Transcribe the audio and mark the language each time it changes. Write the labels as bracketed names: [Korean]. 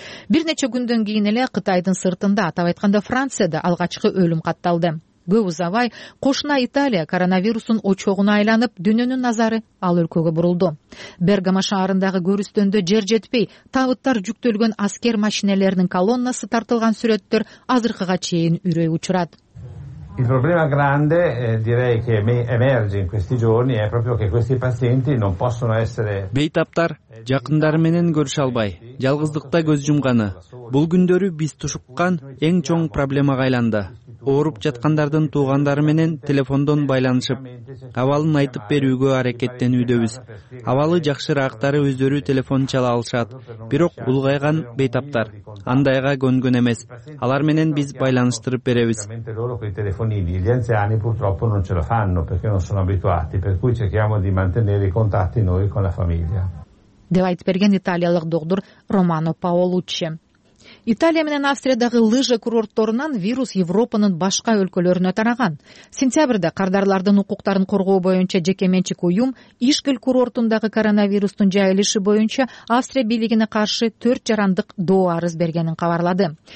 [Kyrgyz] Бир нече күндөн кийин эле Кытайдын сыртында, атап айтканда Францияда алгачкы өлүм катталды. Көп узабай кошуна Италия коронавирустун очогуна айланып, дүйнөнүн назары ал өлкөгө бурулду. Бергамо шаарындагы көрүстөндө жер жетпей, табыттар жүктөлгөн аскер машинелеринин колоннасы тартылган сүрөттөр азыркыга чейин үрөй учурат. [Italian] Il problema grande, direi che emerge in questi giorni è proprio che questi pazienti non possono essere [Kyrgyz] бейтаптар жакындары менен көрүшө албай, жалгыздыкта көз жумганы. Бул күндөрү биз тушуккан эң чоң проблемага айланды. Ооруп жаткандардын туугандары менен телефондон байланышып, абалын айтып берүүгө аракеттенүүдөбүз. Абалы жакшыраактары өздөрү телефон чала алышат, бирок улгайган бейтаптар андайга көнгөн эмес. Алар менен биз байланыштырып беребиз. [Italian] Gli anziani purtroppo non ce la fanno perché non sono abituati, per cui cerchiamo di mantenere i contatti noi con la famiglia. [Kyrgyz] Девайт берген италиялык доктор Романо Паолуччи. Италия менен Австриядагы лыжа курортторунан вирус Европанын башка өлкөлөрүнө тараган. Сентябрда кардарлардын укуктарын коргоо боюнча жекеменчик уюм Ишкел курортундагы коронавирустун жайылышы боюнча Австрия бийлигине каршы 4 жарандык доо арыз бергенин кабарлады.